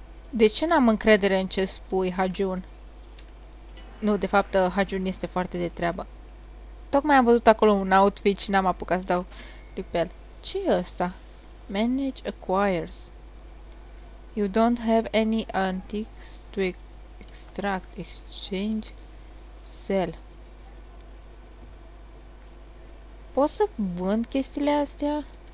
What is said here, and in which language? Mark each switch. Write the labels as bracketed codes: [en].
[ro] De ce n-am încredere în ce spui, Hajun? Nu, de fapt, Hajun este foarte de treabă. Tocmai am văzut acolo un outfit și n-am apucat să dau repel. Ce e ăsta? [en] Manage acquires. You don't have any antiques to extract, exchange, sell. [ro] Pot să vând chestiile astea?